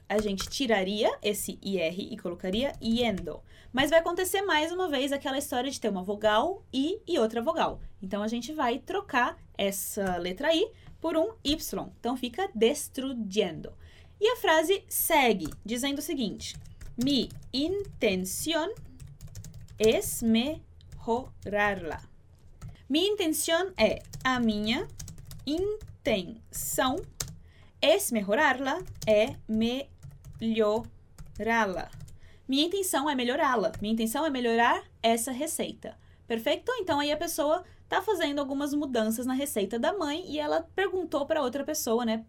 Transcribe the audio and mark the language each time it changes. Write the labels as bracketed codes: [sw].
[pt] A gente tiraria esse IR e colocaria yendo. Mas vai acontecer mais uma vez aquela história de ter uma vogal I e outra vogal. Então, a gente vai trocar essa letra I por um Y. Então, fica destruyendo. E a frase segue dizendo o seguinte. [es] Mi intención es mejorarla. Mi intención [pt] é a minha... intenção, [es] es mejorarla, [pt] é melhorá-la. Minha intenção é melhorá-la. Minha intenção é melhorar essa receita. Perfeito? Então, aí a pessoa está fazendo algumas mudanças na receita da mãe e ela perguntou para outra pessoa, né?